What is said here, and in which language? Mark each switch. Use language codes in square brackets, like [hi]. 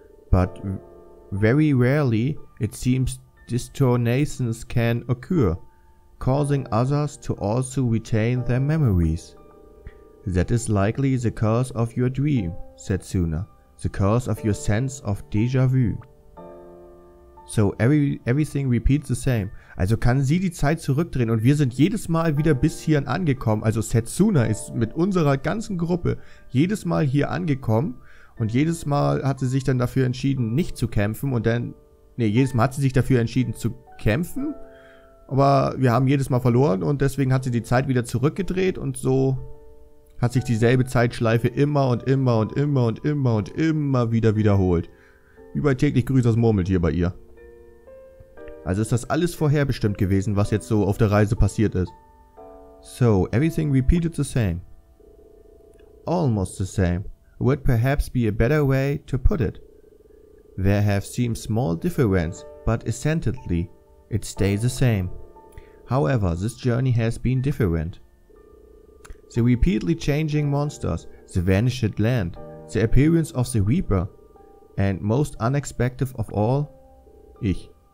[en] But very rarely, it seems distortions can occur, causing others to also retain their memories. That is likely the cause of your dream, said Setsuna, the cause of your sense of déjà vu. So everything repeats the same. [de] Also kann sie die Zeit zurückdrehen und wir sind jedes Mal wieder bis hierhin angekommen. Also Setsuna ist mit unserer ganzen Gruppe jedes Mal hier angekommen und jedes Mal hat sie sich dann dafür entschieden, nicht zu kämpfen und dann, nee, jedes Mal hat sie sich dafür entschieden zu kämpfen, aber wir haben jedes Mal verloren und deswegen hat sie die Zeit wieder zurückgedreht und so hat sich dieselbe Zeitschleife immer und immer und immer und immer und immer wieder wiederholt. Überall täglich grüßt das Murmeltier bei ihr. Also ist das alles vorherbestimmt gewesen, was jetzt so auf der Reise passiert ist. [en] So, everything repeated the same. Almost the same. Would perhaps be a better way to put it. There have seemed small differences, but essentially, it stays the same. However, this journey has been different. The repeatedly changing monsters, the vanished land, the appearance of the Reaper, and most unexpected of all, ich.